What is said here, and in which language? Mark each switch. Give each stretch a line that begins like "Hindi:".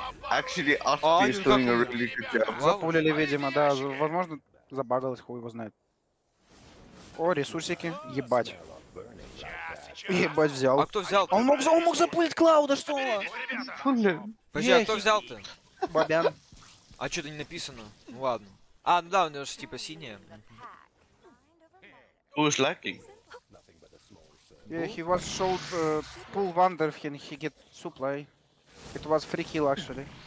English: Actually, Ashley is doing a really good job.
Russian: Запулили, видимо, да. Возможно, забагалось, хуй его знает. О, ресурсики. Ебать. Ебать взял. А кто взял? Он мог запулить Клауда, что? Подожди, а кто взял-то? Бабян. А что-то не написано. Ну ладно. А, ну да, у него же типа синее.
English: Who is lacking? Yeah, he was showed pull wonder if he get supply. It was free kill actually.